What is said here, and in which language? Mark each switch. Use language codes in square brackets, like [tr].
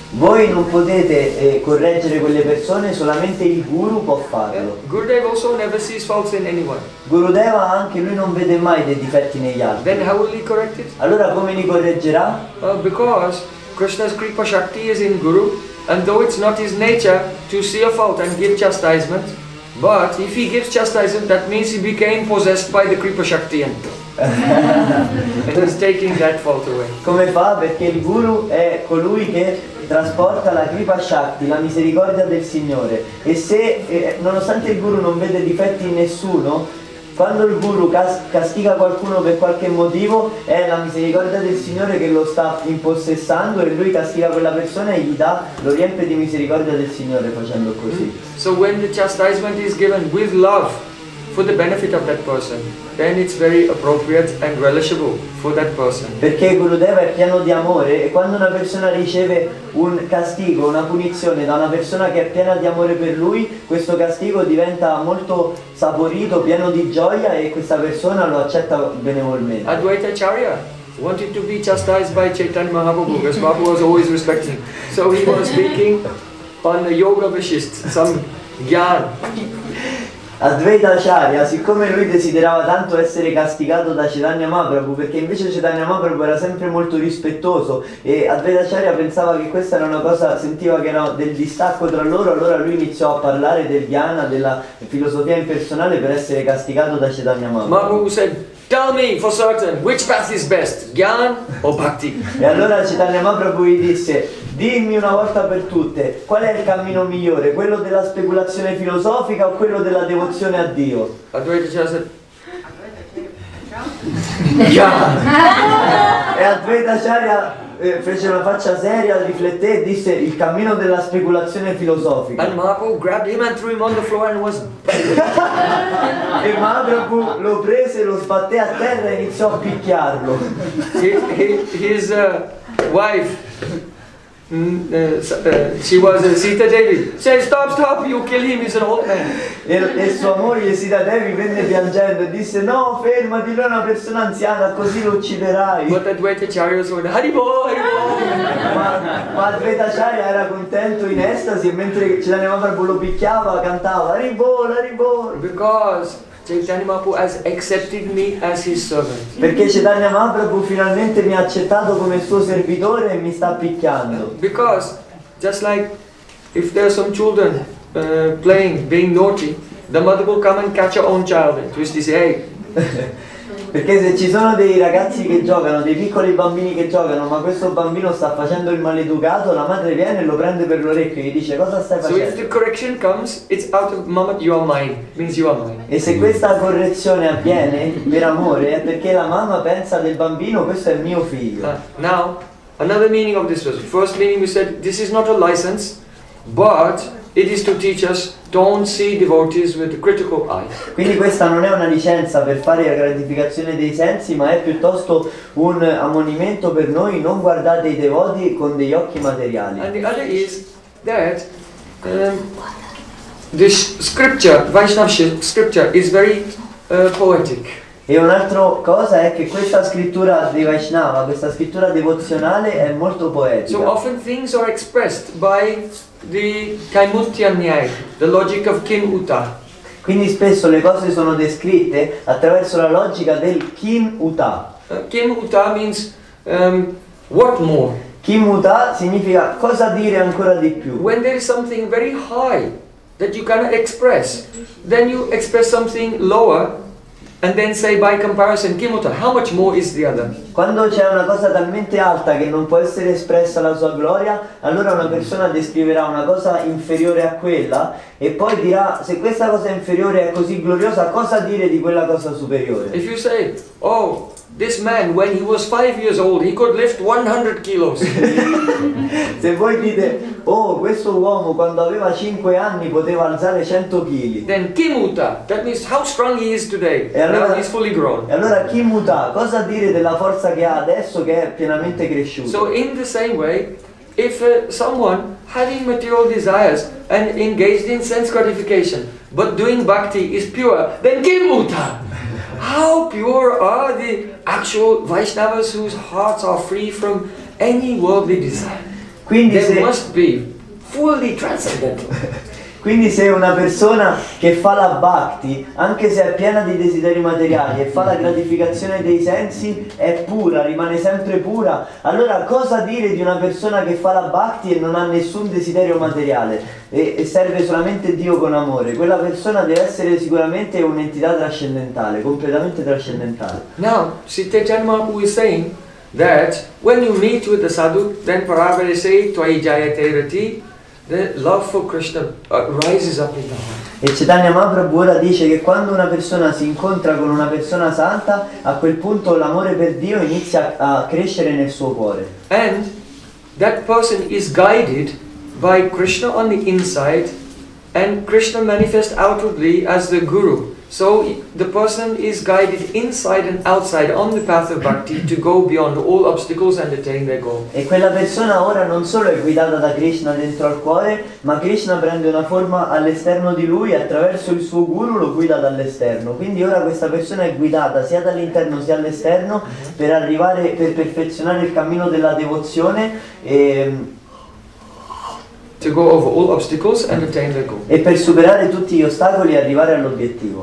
[it] Voi non potete correggere quelle persone, solamente il Guru può farlo. [en] Guru Dev also never sees faults in anyone. [it] Guru Deva anche lui non vede mai dei difetti negli altri. [en] Then how will he correct it? [it] Allora come li correggerà? [en] Because Krishna's Kripa Shakti is in Guru, and though it's not his nature to see a fault and give chastisement, but if he gives chastisement, that means he became possessed by the Kripa Shakti. And he's taking that fault away. [it] Come fa? Perché il Guru è colui che trasporta la Kripa Shakti, la misericordia del Signore. E se, nonostante il Guru non vede difetti in nessuno, quando il Guru castiga qualcuno per qualche motivo, è la misericordia del Signore che lo sta impossessando, e lui castiga quella persona e gli dà, lo riempie di misericordia del Signore facendo così. [en] So when the chastisement is given with love for the benefit of that person, then it's very appropriate and relishable for that person. [it] Perché Gurudeva è pieno di amore, e quando una persona riceve un castigo, una punizione da una persona che è piena di amore per lui, questo castigo diventa molto saporito, pieno di gioia, e questa persona lo accetta benevolmente. [en] Advaita Acharya wanted to be chastised by Chaitanya Mahaprabhu, because Mahaprabhu was always respecting. So he was speaking on the Yoga Vishist, some Gyan. [it] Advaita Acharya, siccome lui desiderava tanto essere castigato da Chaitanya Mahaprabhu, perché invece Chaitanya Mahaprabhu era sempre molto rispettoso e Advaita Acharya pensava che questa era una cosa, sentiva che era del distacco tra loro, allora lui iniziò a parlare del dhyana, della filosofia impersonale per essere castigato da Chaitanya Mahaprabhu. [en] Mahaprabhu said, tell me for certain which path is best, dhyana or bhakti? [it] E allora Chaitanya Mahaprabhu gli disse, dimmi una volta per tutte, qual è il cammino migliore, quello della speculazione filosofica o quello della devozione a Dio? [en] Advaita Acharya said, dhyana. [it] E Advaita Acharya fece una faccia seria, rifletté e disse, il cammino della speculazione filosofica. [en] And Mahaprabhu grabbed him and threw him on the floor and was... [it] E Mahaprabhu lo prese, lo sbatté a terra e iniziò a picchiarlo. [en] His wife... she was a Sita Devi. Say, stop, stop, you kill him, he's an old man. [it] E sua moglie Sita Devi venne piangendo e disse, no, fermati, lui è una persona anziana, così lo ucciderai. [en] But Advaita Acharya was going, Haribo, Haribo. [it] Ma Advaita Acharya era contento in estasi, e mentre Chaitanya Mahaprabhu lo picchiava, cantava, Haribo, Haribo. [en] Because Chaitanya Mahaprabhu has accepted me as his servant. [it] Perché Chaitanya Mahaprabhu finalmente mi ha accettato come suo servitore e mi sta picchiando. [en] Because just like if there are some children playing, being naughty, the mother will come and catch her own child and twist his head. [it] Perché se ci sono dei ragazzi che giocano, dei piccoli bambini che giocano, ma questo bambino sta facendo il maleducato, la madre viene e lo prende per l'orecchio e gli dice cosa stai facendo? [en] So if the correction comes, it's out of mama, you are mine, means you are mine. [it] E se questa correzione avviene, per amore, è perché la mamma pensa del bambino, questo è mio figlio. [en] Now, another meaning of this verse. First meaning we said, this is not a license, but... it is to teach us don't see devotees with critical eyes. [it] Quindi questa non è una licenza per fare la gratificazione dei sensi, ma è piuttosto un ammonimento per noi, non guardate i devoti con degli occhi materiali. [en] And the other is that this scripture, Vaishnava scripture, is very poetic. [it] E un'altra cosa è che questa scrittura di Vaishnava, questa scrittura devozionale è molto poetica. [en] So often things are expressed by the Kaimutyanyaya, the logic of Kim Uta. [it] Quindi spesso le cose sono descritte attraverso la logica del Kim Uta. [en] Kim Uta means what more? [it] Kim Uta significa cosa dire ancora di più. [en] When there is something very high that you cannot express, then you express something lower. And then say by comparison, Kimuta, how much more is the other? [it] Quando c'è una cosa talmente alta che non può essere espressa la sua gloria, allora una persona descriverà una cosa inferiore a quella e poi dirà, se questa cosa inferiore è così gloriosa, cosa dire di quella cosa superiore? [en] If you say, oh, this man, when he was 5 years old, he could lift 100 kilos. [it] Se voi dite, oh, questo uomo quando aveva 5 anni poteva alzare 100 kg. [en] Then Kimuta, that means how strong he is today. [it] Allora, [en] now he's fully grown. [it] E allora Kimuta, cosa dire della forza che ha adesso che è pienamente cresciuto? [en] So in the same way, if someone having material desires and engaged in sense gratification, but doing bhakti is pure, then Kimuta! How pure are the actual Vaishnavas whose hearts are free from any worldly desire? [it] Quindi [en] they [it] se... [en] must be fully transcendental. [it] Quindi se una persona che fa la bhakti, anche se è piena di desideri materiali e fa la gratificazione dei sensi, è pura, rimane sempre pura, allora cosa dire di una persona che fa la bhakti e non ha nessun desiderio materiale e serve solamente Dio con amore? Quella persona deve essere sicuramente un'entità trascendentale, completamente trascendentale. [en] Now, Sita Janma, who is saying that when you meet with the sadhu, then [bn] parabare sei tuai jayate rati, [en] the love for Krishna rises up in the heart. [it] E Chaitanya Mahaprabhu ora dice che quando una persona si incontra con una persona santa, a quel punto l'amore per Dio inizia a crescere nel suo cuore. [en] And that person is guided by Krishna on the inside, and Krishna manifests outwardly as the guru. So the person is guided inside and outside on the path of bhakti to go beyond all obstacles and attain their goal. [it] E quella persona ora non solo è guidata da Krishna dentro al cuore, ma Krishna prende una forma all'esterno di lui attraverso il suo guru, lo guida dall'esterno. Quindi ora questa persona è guidata sia dall'interno sia all'esterno per arrivare, per perfezionare il cammino della devozione e [en] to go over all obstacles and attain their goal. [it] E per superare tutti gli ostacoli e arrivare all'obiettivo.